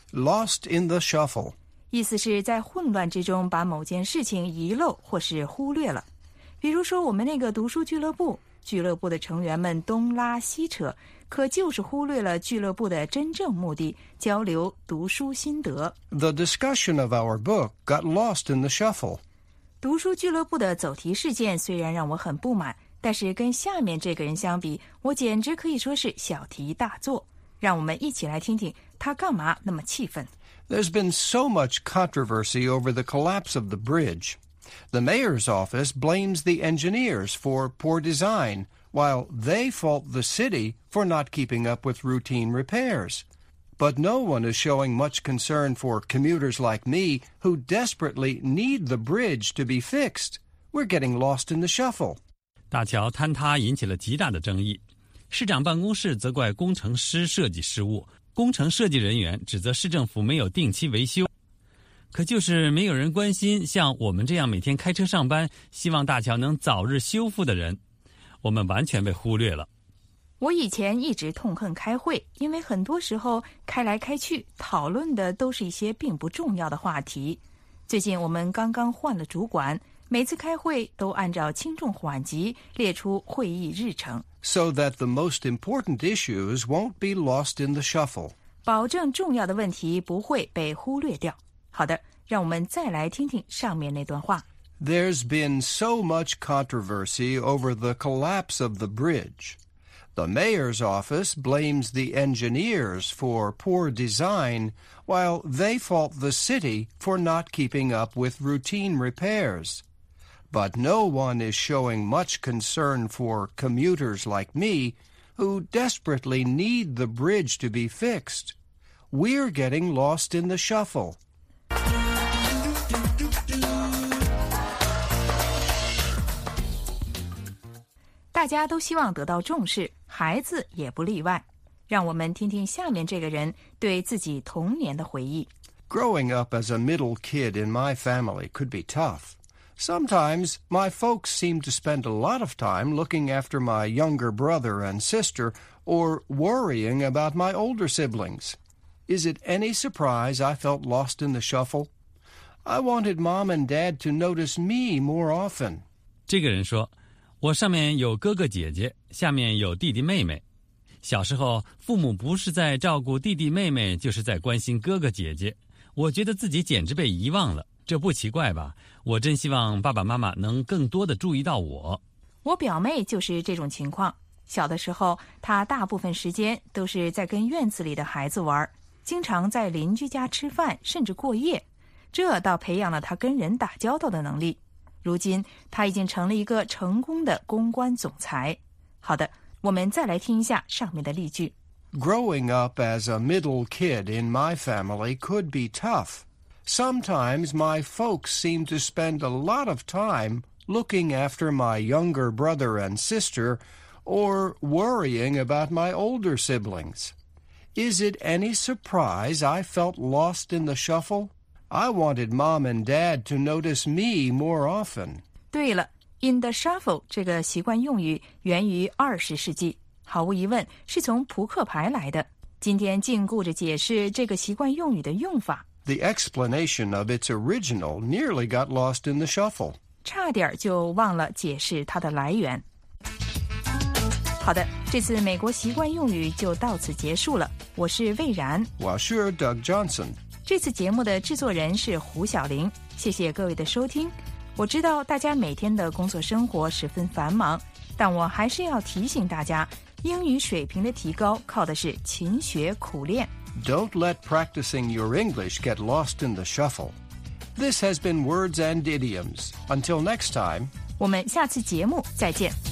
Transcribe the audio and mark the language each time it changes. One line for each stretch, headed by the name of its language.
English: Lost in the shuffle，
Chinese: 意思是在混乱之中把某件事情遗漏或是忽略了。比如说我们那个读书俱乐部，俱乐部的成员们东拉西扯，可就是忽略了俱乐部的真正目的，交流读书心得。
English: The discussion of our book got lost in the shuffle。
Chinese: 读书俱乐部的走题事件虽然让我很不满，但是跟下面这个人相比，我简直可以说是小题大做。让我们一起来听听他干嘛那么气愤。
English: There's been so much controversy over the collapse of the bridge. The mayor's office blames the engineers for poor design, while they fault the city for not keeping up with routine repairs. But no one is showing much concern for commuters like me who desperately need the bridge to be fixed. We're getting lost in the shuffle.
Chinese: 大桥坍塌引起了极大的争议，市长办公室责怪工程师设计失误，工程设计人员指责市政府没有定期维修，可就是没有人关心像我们这样每天开车上班，希望大桥能早日修复的人，我们完全被忽略了。我以前一直痛恨开会，因为很多时候开来开去，讨论的都是一些并不重要的话题。最近我们刚刚换了主管，每次开会都按照轻重缓急列出会议日程。
English: So that the most important issues won't be lost in the shuffle.
Chinese: 保证重要的问题不会被忽略掉。好的，让我们再来听听上面那段话。
English: There's been so much controversy over the collapse of the bridge. The mayor's office blames the engineers for poor design, while they fault the city for not keeping up with routine repairs. But no one is showing much concern for commuters like me, who desperately need the bridge to be fixed. We're getting lost in the shuffle.
Chinese: 大家都希望得到重视，孩子也不例外。让我们听听下面这个人对自己童年的回忆。
English: Growing up as a middle kid in my family could be tough. Sometimes my folks seemed to spend a lot of time looking after my younger brother and sister or worrying about my older siblings. Is it any surprise I felt lost in the shuffle? I wanted mom and dad to notice me more often.
Chinese: 这个人说我上面有哥哥姐姐，下面有弟弟妹妹。小时候，父母不是在照顾弟弟妹妹，就是在关心哥哥姐姐。我觉得自己简直被遗忘了，这不奇怪吧？我真希望爸爸妈妈能更多地注意到我。我表妹就是这种情况。小的时候，她大部分时间都是在跟院子里的孩子玩，经常在邻居家吃饭，甚至过夜。这倒培养了她跟人打交道的能力。如今他已经成了一个成功的公关总裁。好的，我们再来听一下上面的例句。
English: Growing up as a middle kid in my family could be tough. Sometimes my folks seem to spend a lot of time looking after my younger brother and sister or worrying about my older siblings. Is it any surprise I felt lost in the shuffle? I wanted mom and dad to notice me more often.
Chinese: 对了 ,
English: in the shuffle
Chinese: 这个习惯用语源于20世纪,毫无疑问是从扑克牌来的。今天禁锢着解释这个习惯用语的用法。
English: The explanation of its original nearly got lost in the shuffle.
Chinese: 差点就忘了解释它的来源。好的,这次美国习惯用语就到此结束了。我是魏然。
English: Washer Doug Johnson.
Chinese: 这次节目的制作人是胡晓玲，谢谢各位的收听。我知道大家每天的工作生活十分繁忙，但我还是要提醒大家，英语水平的提高靠的是勤学苦练。
English: Don't let practicing your English get lost in the shuffle. This has been Words and Idioms. Until next time.
Chinese: 我们下次节目再见。